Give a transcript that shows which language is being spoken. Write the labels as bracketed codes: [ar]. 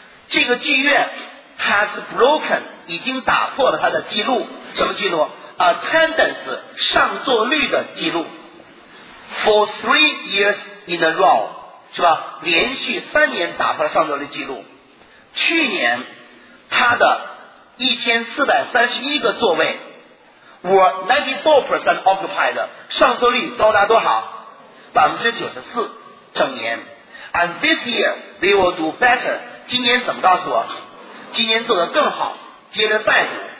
[zh] 这个剧院 [en] has broken， [zh] 已经打破了它的记录，什么记录 ？Attendance 上座率的记录 ， [en] for 3 years in a row， [zh] 是吧？连续三年打破了上座率记录。去年它的1431个座位 [en] were 94% occupied， [zh] 上座率高达多少？ 94%整年。 [en] And this year they will do better， [zh] 今年怎么告诉我？今年做得更好，接着再读。